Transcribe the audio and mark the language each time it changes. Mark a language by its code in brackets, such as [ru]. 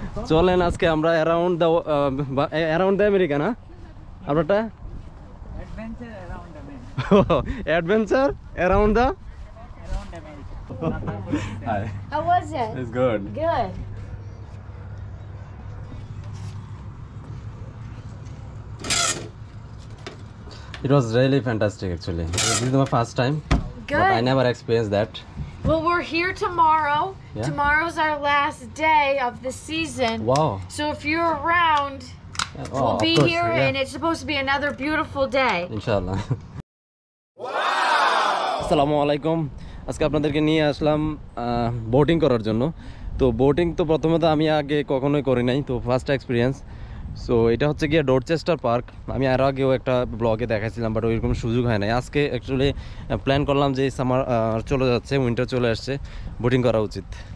[bn] চলেন আজকে আমরা অ্যারাউন্ড দ্য আমেরিকা, না আপনারটা adventure around the America. [en] How was it? It's good good. It was really fantastic actually. This is my first time, but I never experienced that. Well, we're here tomorrow. Yeah. Tomorrow's our last day of the season. Wow. So if you're around, yeah. We'll be here, yeah. And it's supposed to be another beautiful day. Inshallah. Wow! Assalamu alaikum. [bn] আজকে আপনাদেরকে নিয়ে আসলাম boating করার জন্য। তো boating তো প্রথমত আমি আগে কখনোই করি নাই, তো ফার্স্ট এক্সপিরিয়েন্স। সো এটা হচ্ছে গিয়ে ডরচেস্টার পার্ক। আমি আর আগেও একটা ব্লগে দেখাইছিলাম, বাট ওইরকম সুযোগ হয় না। আজকে অ্যাকচুয়ালি প্ল্যান করলাম যে সামার চলে যাচ্ছে, উইন্টার চলে আসছে, বোটিং করা উচিত।